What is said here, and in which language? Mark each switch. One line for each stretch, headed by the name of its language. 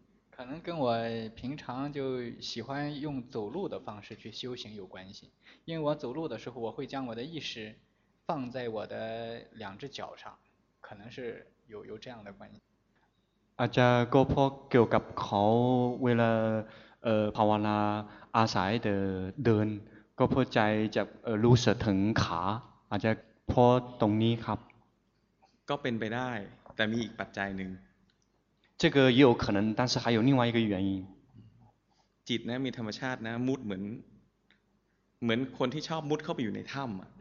Chinese: 可能跟我平常就喜欢用走路的方式去修行有关系，因为我走路的时候我会将我的意识放在我的两只脚上，可能是有这样的关系。
Thai: อาจจะก็เพราะเกี่ยวกับเขาเวลาภาวนาอาศัยเดินก็เพราะใจจะรู้สึกถึงขาอาจจะเพราะตรงนี้ครับ ก็เป็นไปได้แต่มีอีกปัจจัยหนึ่ง
Chinese: 这个也有可能但是还有另外一个原因
Thai: จิตนะมีธรรมชาตินะมุดเหมือนคนที่ชอบมุดเข้าไปอยู่ในถ้ำ